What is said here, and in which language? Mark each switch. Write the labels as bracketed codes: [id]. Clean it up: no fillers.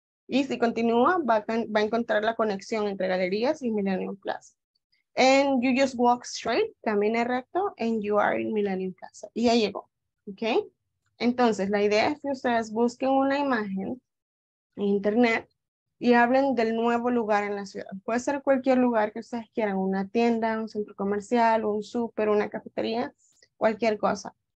[es] Y si continúa, va a encontrar la conexión entre Galerías y Millennium Plaza. [en] And you just walk straight, [es] camina recto, [en] and you are in Millennium Plaza. [es] Y ya llegó, okay? Entonces, la idea es que ustedes busquen una imagen en internet y hablen del nuevo lugar en la ciudad. Puede ser cualquier lugar que ustedes quieran, una tienda, un centro comercial, un súper, una cafetería, cualquier cosa.